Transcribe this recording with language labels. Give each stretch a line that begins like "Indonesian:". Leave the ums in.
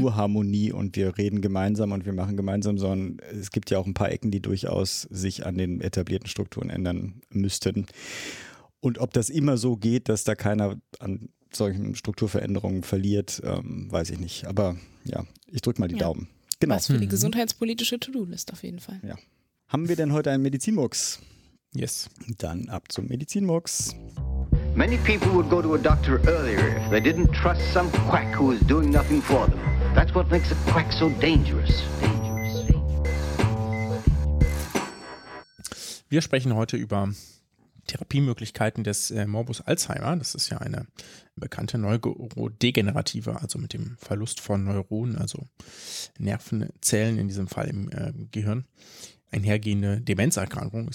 German: nur Harmonie und wir reden gemeinsam und wir machen gemeinsam, sondern es gibt ja auch ein paar Ecken, die durchaus sich an den etablierten Strukturen ändern müssten. Und ob das immer so geht, dass da keiner an solchen Strukturveränderungen verliert, ähm, weiß ich nicht. Aber ja, ich drücke mal die ja. Daumen. Genau. Was für die mhm. gesundheitspolitische To-Do-List auf jeden Fall. Ja. Haben wir denn heute einen Medizinmux?
English: Yes.
German: Dann ab zum Medizinmux.
English: Many people would go to a doctor earlier if they didn't trust some quack who is doing nothing for them. That's what makes a quack so dangerous. dangerous. dangerous.
German: Wir sprechen heute über Therapiemöglichkeiten des äh, Morbus Alzheimer. Das ist ja eine bekannte neurodegenerative, also mit dem Verlust von Neuronen, also Nervenzellen in diesem Fall im äh, Gehirn einhergehende Demenzerkrankungen.